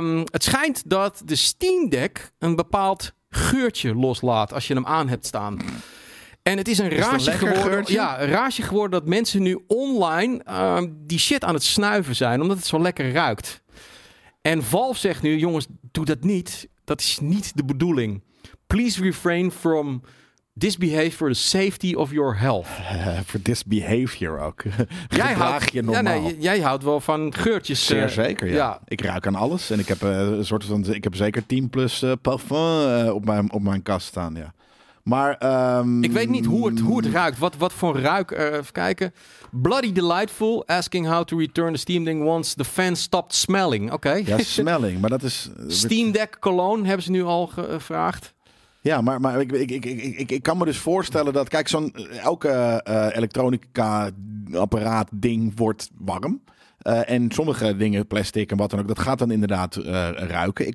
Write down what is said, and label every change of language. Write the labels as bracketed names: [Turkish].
[Dutch] Het schijnt dat de Steam Deck een bepaald geurtje loslaat als je hem aan hebt staan. En het is een raasje geworden. Geurtje? Ja, een raasje geworden dat mensen nu online die shit aan het snuiven zijn, omdat het zo lekker ruikt. En Valve zegt nu, jongens, doe dat niet. Dat is niet de bedoeling. [English] Please refrain from this behavior for the safety of your health. For this behavior [Dutch] ook. Jij houdt je normaal. Ja, nee, jij houdt wel van geurtjes. Zeer zeker, ja. Ik ruik aan alles. En ik heb een soort van. Ik heb zeker 10 plus parfum op mijn kast staan, ja. Maar. Ik weet niet hoe het ruikt. Wat voor ruik. Even kijken. [English] Bloody delightful. Asking how to return the Steam Deck once the fans stopped smelling. [Dutch] Oké. Okay. Ja, smelling. Maar dat is. Steam Deck cologne hebben ze nu al gevraagd. Ja, maar ik kan me dus voorstellen dat... Kijk, zo'n elke elektronica-apparaat ding wordt warm. En sommige dingen, plastic en wat dan ook, dat gaat dan inderdaad ruiken.